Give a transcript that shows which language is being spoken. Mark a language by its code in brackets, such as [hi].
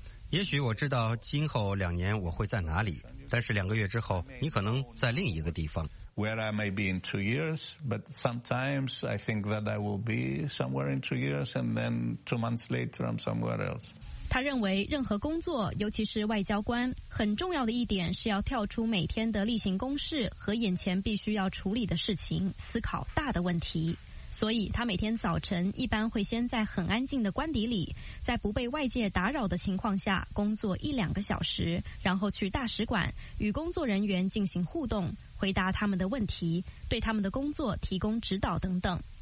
[zh] 也许我知道今后两年我会在哪里，但是两个月之后你可能在另一个地方。 [en] Where I may be in 2 years, but sometimes I think that I will be somewhere in 2 years and then 2 months later I'm somewhere else. [zh] 他认为任何工作，尤其是外交官，很重要的一点是要跳出每天的例行公事和眼前必须要处理的事情，思考大的问题。所以他每天早晨一般会先在很安静的官邸里，在不被外界打扰的情况下工作一两个小时，然后去大使馆与工作人员进行互动，回答他们的问题，对他们的工作提供指导等等。